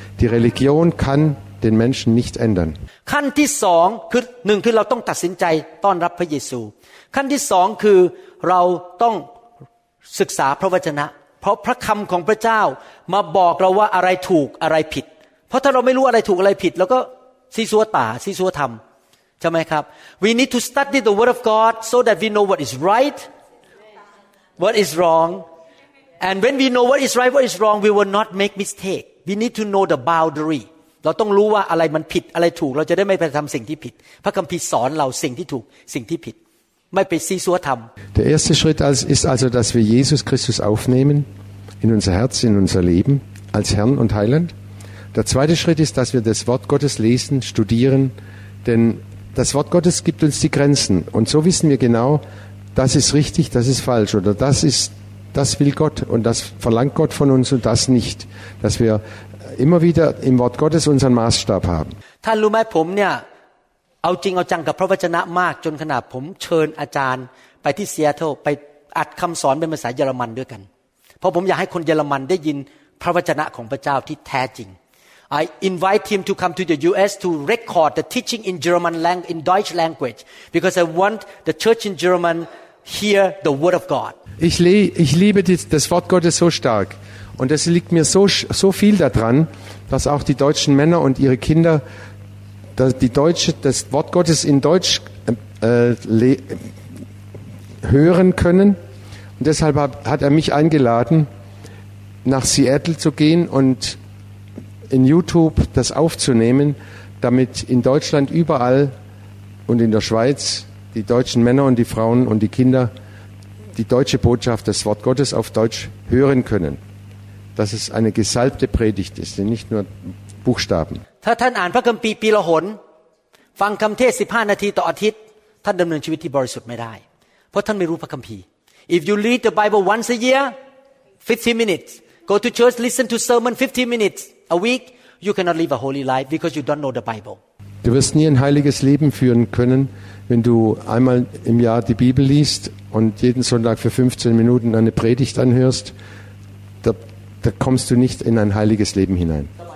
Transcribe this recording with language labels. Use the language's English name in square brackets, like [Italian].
[German] Die Religion kann den Menschen nicht ändern. [Thai] ขั้นที่สองคือหนึ่งคือเราต้องตัดสินใจต้อนรับพระเยซูขั้นที่สองคือเราต้องศึกษาพระวจนะเพราะพระคำของพระเจ้ามาบอกเราว่าอะไรถูกอะไรผิดเพราะถ้าเราไม่รู้อะไรถูกอะไรผิดแล้วก็ซีซัวตาซีซัวธรรมใช่ไหมครับ [English] We need to study the word of God so that we know what is right, what is wrong, and when we know what is right, what is wrong, we will not make mistake. We need to know the boundary. [Thai] เราต้องรู้ว่าอะไรมันผิดอะไรถูกเราจะได้ไม่ไปทำสิ่งที่ผิดพระคัมภีร์สอนเราสิ่งที่ถูกสิ่งที่ผิดไม่ไปซีซัวธรรม [German] Der erste Schritt ist also, dass wir Jesus Christus aufnehmen in unser Herz, in unser Leben als Herrn und Heiland. Der zweite Schritt ist, dass wir das Wort Gottes lesen, studieren, denn das Wort Gottes gibt uns die Grenzen und so wissen wir genau, das ist richtig, das ist falsch oder das will Gott und das verlangt Gott von uns und das nicht, dass wir immer wieder im Wort Gottes unseren Maßstab haben. [Thai] ท่านรู้ไหมผมเนี่ยเอาจริงเอาจังกับพระวจนะมากจนขนาดผมเชิญอาจารย์ไปที่ซีแอตเทิลไปอัดคำสอนเป็นภาษาเยอรมันด้วยกันเพราะผมอยากให้คนเยอรมันได้ยินพระวจนะของพระเจ้าที่แท้จริง [English] I invite him to come to the U.S. to record the teaching in German language, in Deutsch language, because I want the church in German hear the word of God. [German] Ich liebe das Wort Gottes so stark, und es liegt mir so viel daran, dass auch die deutschen Männer und ihre Kinder das Wort Gottes in Deutsch hören können. Und deshalb hat er mich eingeladen, nach Seattle zu gehen undin YouTube das aufzunehmen, damit in Deutschland überall und in der Schweiz die deutschen Männer und die Frauen und die Kinder die deutsche Botschaft, das Wort Gottes auf Deutsch hören können. Dass es eine gesalbte Predigt ist, nicht nur Buchstaben. Wenn Sie die Bibel lesen, hören Sie 15 Minuten pro Tag, dann können Sie nicht mehr die Bibel lesen. Weil Sie nicht die Bibel kennen. [English] If you read the Bible once a year, 15 minutes. Go to church, listen to sermon 15 minutes. A week, you cannot live a holy life because you don't know the Bible. [German] Du wirst nie ein heiliges Leben führen können, wenn du einmal im Jahr die Bibel liest und jeden Sonntag für 15 Minuten eine Predigt anhörst. Da kommst du nicht in ein heiliges Leben hinein.